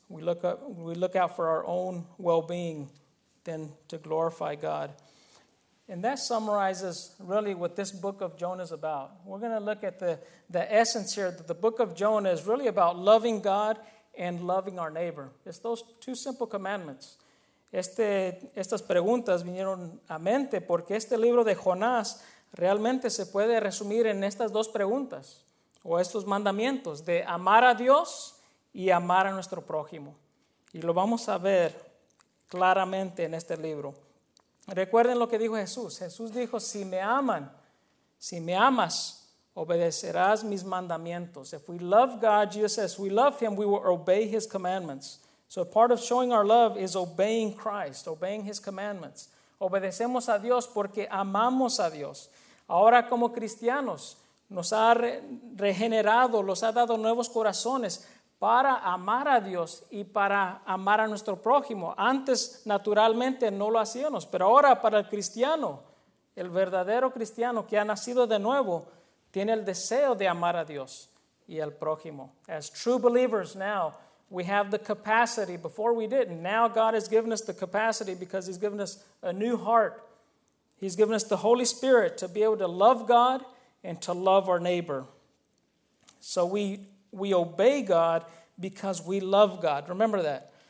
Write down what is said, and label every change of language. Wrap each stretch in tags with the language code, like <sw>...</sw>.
<en>We look out for our own well-being than to glorify God. And that summarizes really what this book of Jonah is about. We're going to look at the essence here that the book of Jonah is really about loving God and loving our neighbor. It's those two simple commandments.</en> <es>Estas preguntas vinieron a mente porque este libro de Jonás realmente se puede resumir en estas dos preguntas o estos mandamientos de amar a Dios y amar a nuestro prójimo. Y lo vamos a ver claramente en este libro. Recuerden lo que dijo Jesús. Jesús dijo, si me amas, obedecerás mis mandamientos.</es> <en>If we love God, Jesus says, we love him, we will obey his commandments. So part of showing our love is obeying Christ, obeying his commandments.</en> <es>Obedecemos a Dios porque amamos a Dios. Ahora como cristianos, nos ha regenerado, nos ha dado nuevos corazones para amar a Dios y para amar a nuestro prójimo. Antes, naturalmente, no lo hacíamos. Pero ahora, para el cristiano, el verdadero cristiano que ha nacido de nuevo, tiene el deseo de amar a Dios y al prójimo.</es> <en>As true believers now, we have the capacity. Before we didn't. Now God has given us the capacity because he's given us a new heart. He's given us the Holy Spirit to be able to love God and to love our neighbor. So we obey God because we love God. Remember that.</en>